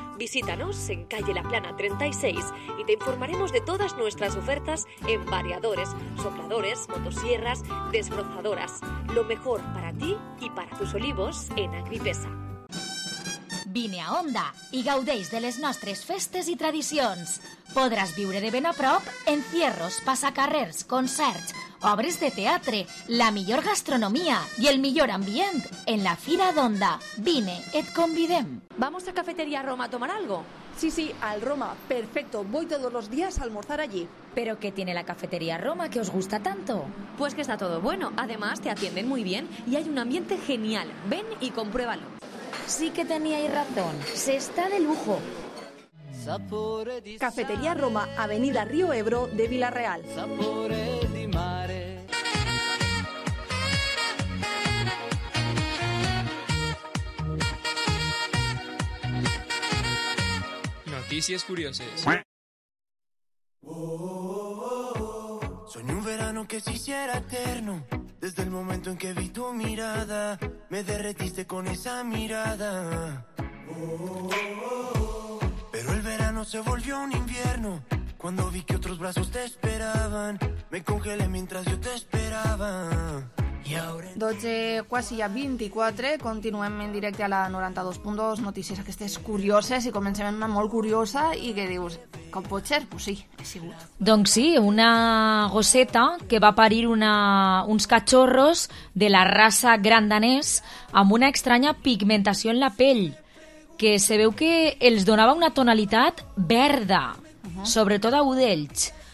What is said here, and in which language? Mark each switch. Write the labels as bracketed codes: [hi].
[es] Visítanos en calle La Plana 36 y te informaremos de todas nuestras ofertas en variadores, sopladores, motosierras, desbrozadoras. Lo mejor para ti y para tus olivos en Agripesa. [ca] Vine a Onda i gaudeix de les nostres festes i tradicions. Podràs viure de ben a prop encierros, passacarrers, concerts, obres de teatre, la millor gastronomia i el millor ambient en la Fira d'Onda. Vine, et convidem. [es] ¿Vamos a Cafetería Roma a tomar algo? Sí, sí, al Roma. Perfecto, voy todos los días a almorzar allí. ¿Pero qué tiene la Cafetería Roma que os gusta tanto? Pues que está todo bueno. Además, te atienden muy bien y hay un ambiente genial. Ven y compruébalo. Sí que teníais razón. Se está de lujo. Cafetería Roma, Avenida Río Ebro de Villarreal. Noticias curiosas. Soñé un verano que se hiciera eterno. Desde el momento en que vi tu mirada, me derretiste con esa mirada. Pero el verano se volvió un invierno. Cuando vi que otros brazos te esperaban, me congelé mientras yo te esperaba. [ca] 12, quasi ja 24, continuem en directe a la 92.2, notícies aquestes curioses, i comencem amb una molt curiosa, i que dius, com pot ser? [es] Pues sí, [ca] ha sigut. Doncs sí, una gosseta que va parir uns cachorros de la raça gran danès amb una estranya pigmentació en la pell, que se veu que els donava una tonalitat verda, sobretot a un d'ells.